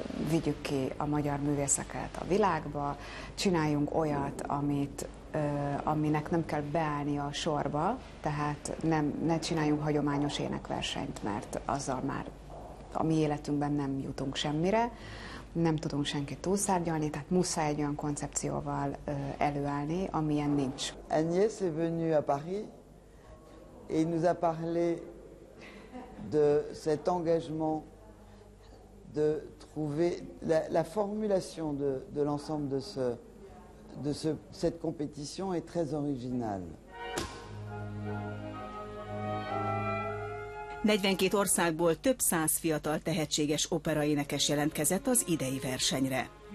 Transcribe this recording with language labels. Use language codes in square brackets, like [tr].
[hu] vigyük ki a magyar művészeket a világba, csináljunk olyat, aminek nem kell beállni a sorba, tehát ne csináljunk hagyományos énekversenyt, mert azzal már a mi életünkben nem jutunk semmire, nem tudunk senkit túlszárnyalni, tehát muszáj egy olyan koncepcióval előállni, amilyen nincs. [fr] Agnès est venue à Paris et nous a parlé de cet engagement de trouver la formulation de l'ensemble de cette compétition est très originale. [hu] 42 országból több száz fiatal tehetséges operaénekes jelentkezett az idei versenyre.